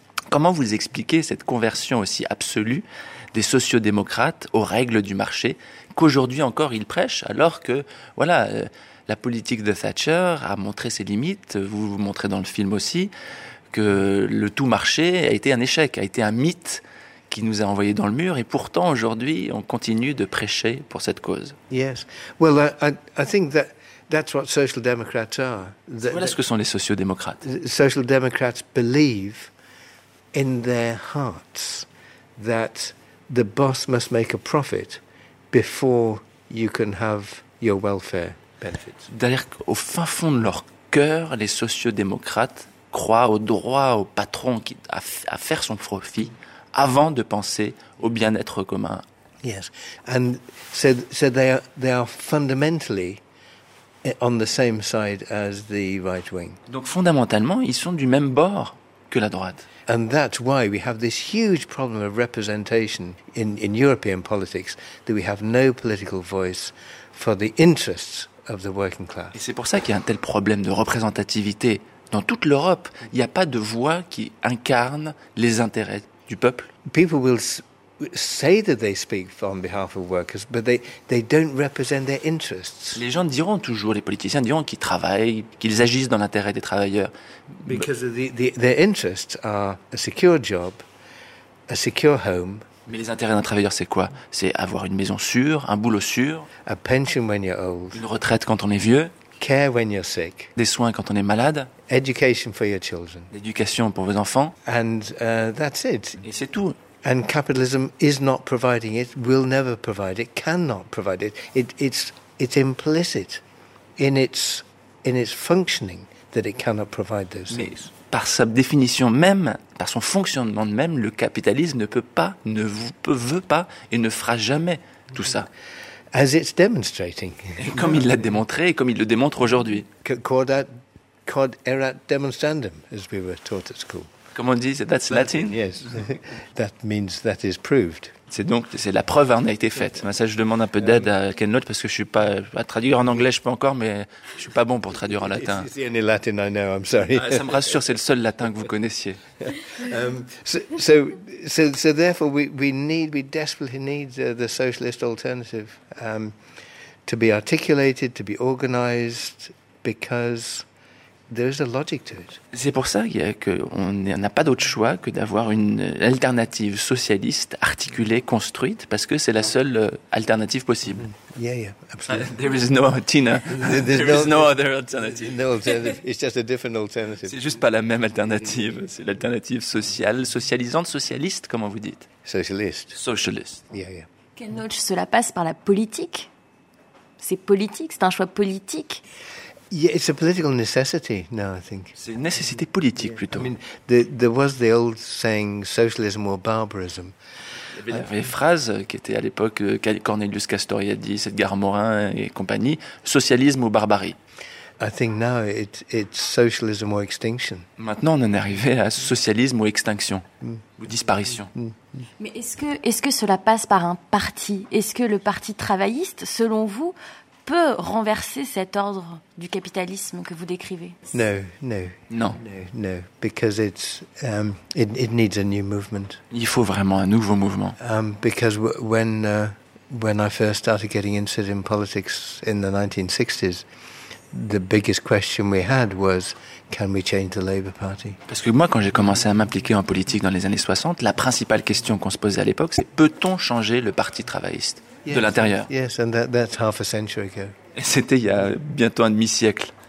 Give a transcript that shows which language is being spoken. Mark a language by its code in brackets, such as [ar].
[fr] Comment vous expliquez cette conversion aussi absolue des sociodémocrates aux règles du marché qu'aujourd'hui encore ils prêchent, alors que voilà, la politique de Thatcher a montré ses limites, vous vous montrez dans le film aussi, que le tout marché a été un échec, a été un mythe qui nous a envoyé dans le mur, et pourtant aujourd'hui on continue de prêcher pour cette cause. [en] Yes, well, I think that that's what social democrats are. [fr] Voilà ce que sont les sociodémocrates. [en] Social democrats believe in their hearts that the boss must make a profit before you can have your welfare benefits. [fr] D'ailleurs, au fin fond de leur cœur, les sociodémocrates croient au droit au patron à faire son profit avant de penser au bien-être commun. [en] Yes, and so they are fundamentally on the same side as the right wing. [fr] Donc fondamentalement, ils sont du même bord que la droite. [en] And that's why we have this huge problem of representation in European politics, that we have no political voice for the interests of the working class. [fr] Et c'est pour ça qu'il y a un tel problème de représentativité. Dans toute l'Europe, il n'y a pas de voix qui incarne les intérêts du peuple. [en] People will say that they speak on behalf of workers, but they don't represent their interests. [fr] Les gens diront toujours, les politiciens diront qu'ils travaillent, qu'ils agissent dans l'intérêt des travailleurs. [en] Because their interests are a secure job, a secure home. [fr] Mais les intérêts d'un travailleur, c'est quoi? C'est avoir une maison sûre, un boulot sûr. [en] A pension when you're old. [fr] Une retraite quand on est vieux. [en] Care when you're sick. [fr] Des soins quand on est malade. [en] Education for your children. [fr] L'éducation pour vos enfants. [en] And that's it. [fr] Et c'est tout. [en] And capitalism is not providing it, will never provide it, cannot provide it. It's implicit in its functioning that it cannot provide those things. [fr] Mais par sa définition même, par son fonctionnement même, le capitalisme ne peut pas, ne veut pas et ne fera jamais tout ça. [en] As it's demonstrating. [fr] Et comme il l'a démontré et comme il le démontre aujourd'hui. [la] Quod erat demonstrandum, [en] as we were taught at school. [fr] Comme on dit, [en] that's Latin. Yes, that means that is proved. [fr] C'est la preuve en a été faite. Mais ça, je demande un peu d'aide à Ken Loach parce que je suis pas à traduire en anglais, je peux encore, mais je suis pas bon pour traduire en latin. [en] It's the only Latin I know. I'm sorry. [fr] Ça me rassure, c'est le seul latin que vous connaissiez. [en] Therefore, we desperately need the socialist alternative to be articulated, to be organized, because there is a logic to it. [fr] C'est pour ça qu'on n'a pas d'autre choix que d'avoir une alternative socialiste articulée, construite, parce que c'est la seule alternative possible. [en] Yeah, absolutely. There is no Tina. There is no other alternative. It's just a different alternative. [fr] C'est juste pas la même alternative. C'est l'alternative sociale, socialisante, socialiste, comment vous dites? Socialiste. Yeah. Ken Loach, cela passe par la politique. C'est politique. C'est un choix politique. [en] Yeah, it's a political necessity now, I think. [fr] C'est une nécessité politique, plutôt. [en] I mean, there was the old saying, socialism or barbarism. [fr] Il y avait des phrases qui étaient à l'époque, Cornelius Castoriadis, Edgar Morin et compagnie, socialisme ou barbarie. [en] I think now it's socialism or extinction. [fr] Maintenant, on en est arrivé à socialisme ou extinction, ou disparition. Mais est-ce que cela passe par un parti? Est-ce que le parti travailliste, selon vous, peut renverser cet ordre du capitalisme que vous décrivez? [en] No, because it's it needs a new movement. [fr] Il faut vraiment un nouveau mouvement. [en] Because when I first started getting interested in politics in the 1960s, the biggest question we had was, can we change the Labour Party? [fr] Parce que moi, quand j'ai commencé à m'impliquer en politique dans les années 60, la principale question qu'on se posait à l'époque, c'est peut-on changer le Parti travailliste? De [en] yes, [fr] l'intérieur. [en] Yes, and that's half a century ago. [fr] Et c'était il y a bientôt un demi-siècle.